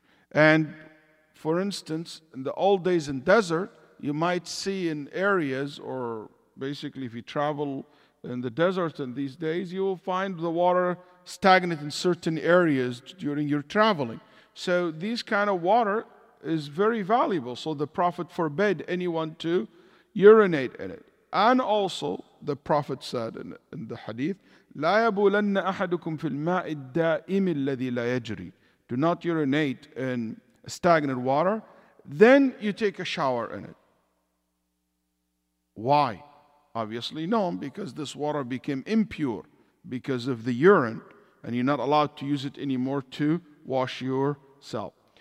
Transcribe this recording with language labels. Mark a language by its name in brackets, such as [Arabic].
[English] And for instance, in the old days in desert, you might see in areas, or basically if you travel in the desert in these days, you will find the water stagnant in certain areas during your traveling. So these kind of water is very valuable. So the Prophet forbade anyone to urinate in it. And also the Prophet said in the hadith, [Arabic] لا يبولن أحدكم في الماء الدائم الذي لا يجري. [English] Do not urinate in stagnant water. Then you take a shower in it. Why? Obviously no, because this water became impure because of the urine, and you're not allowed to use it anymore to wash yourself.